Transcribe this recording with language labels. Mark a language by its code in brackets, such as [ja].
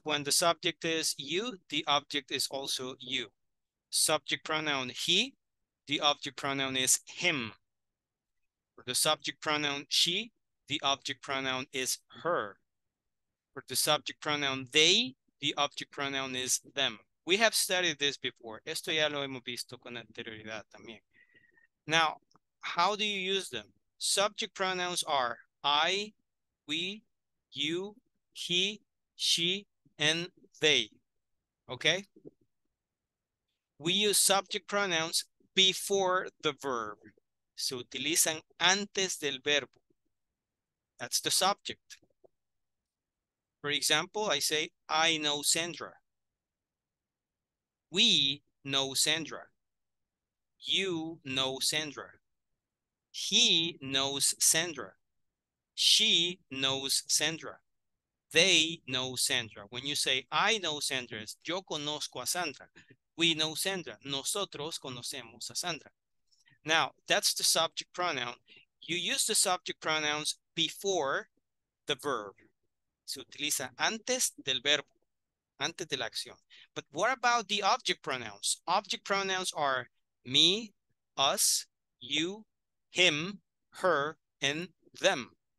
[en] When the subject is you, the object is also you. Subject pronoun he, the object pronoun is him. For the subject pronoun she, the object pronoun is her. For the subject pronoun they, the object pronoun is them. We have studied this before. [es] Esto ya lo hemos visto con anterioridad también. [en] Now, how do you use them? Subject pronouns are I, we, you, he, she, and they. Okay? We use subject pronouns before the verb. [es] Se utilizan antes del verbo. [en] That's the subject. For example, I say, I know Sandra. We know Sandra. You know Sandra. He knows Sandra. She knows Sandra. They know Sandra. When you say, I know Sandra, it's [es] yo conozco a Sandra. [en] We know Sandra. [es] Nosotros conocemos a Sandra. [en] Now, that's the subject pronoun. You use the subject pronouns before the verb. [es] Se utiliza antes del verbo, antes de la acción. [en] But what about the object pronouns? Object pronouns are me, us, you, him, her, and them.